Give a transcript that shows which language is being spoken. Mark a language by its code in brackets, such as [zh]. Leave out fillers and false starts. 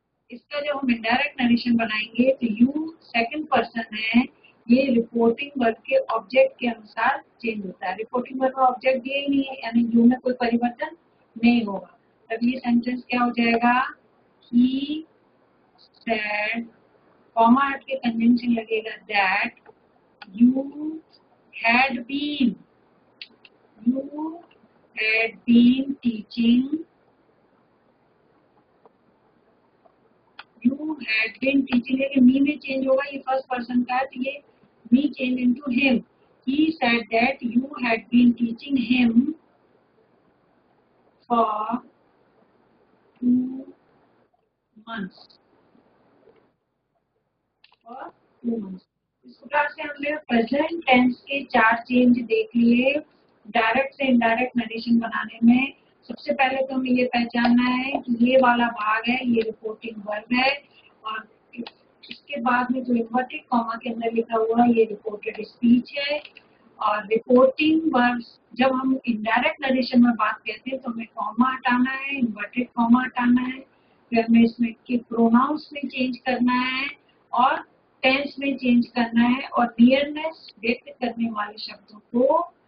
[hi] इसका जब हम इनडायरेक्ट नरेशन बनाएंगे तो यू सेकंड पर्सन है ये रिपोर्टिंग वर्ब के ऑब्जेक्ट के अनुसार चेंज होता है रिपोर्टिंग वर्ब का ऑब्जेक्ट ये ही नहीं है यानी यू में कोई परिवर्तन नहीं होगा तब ये सेंटेंस क्या हो जाएगा ही सेड कॉमा हट के कंजंक्शन लगेगा that you had been teaching [en] You had been teaching [hi] लेकिन [en] me में change होगा ये first person [hi] का तो ये [en] me change into him. He said that you had been teaching him for 2 months. For 2 months. [hi] इस प्रकार से हमने present tense के चार change देख लिए direct से indirect narration बनाने में सबसे पहले तो हमें ये पहचानना है कि ये वाला भाग है ये reporting verb है और इसके बाद में जो इन्वर्टेड कॉमा के अंदर लिखा हुआ है ये रिपोर्टेड स्पीच है और रिपोर्टिंग वर्ब्स जब हम इनडायरेक्ट नरेशन में बात करते हैं तो हमें कॉमा हटाना है इन्वर्टेड कॉमा हटाना है फिर हमें इसमें के प्रोनाउंस में चेंज करना है और टेंस में चेंज करना है और नियरनेस व्यक्त करने वाले शब्दों को